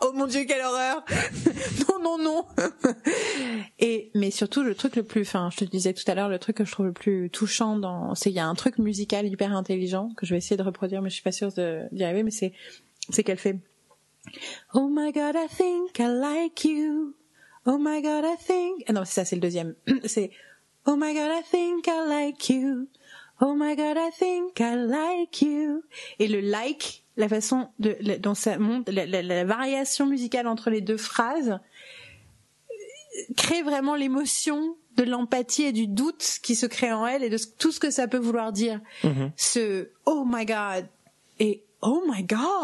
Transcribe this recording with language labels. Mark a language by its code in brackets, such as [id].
[fr] Oh mon Dieu, quelle horreur. non. Et mais surtout le truc le plus, enfin je te disais tout à l'heure, le truc que je trouve le plus touchant dans, c'est il y a un truc musical hyper intelligent que je vais essayer de reproduire mais je suis pas sûre d'y arriver, mais c'est qu'elle fait [en] Oh my god, I think I like you. Oh my god, I think. [fr] Ah non, c'est ça, c'est le deuxième. C'est [en] Oh my god, I think I like you. Oh my god, I think I like you. [fr] Et le like, la façon de, dont ça monte, la variation musicale entre les deux phrases, crée vraiment l'émotion de l'empathie et du doute qui se crée en elle et de tout ce que ça peut vouloir dire. Mm-hmm. [en] Ce Oh my god et Oh my god!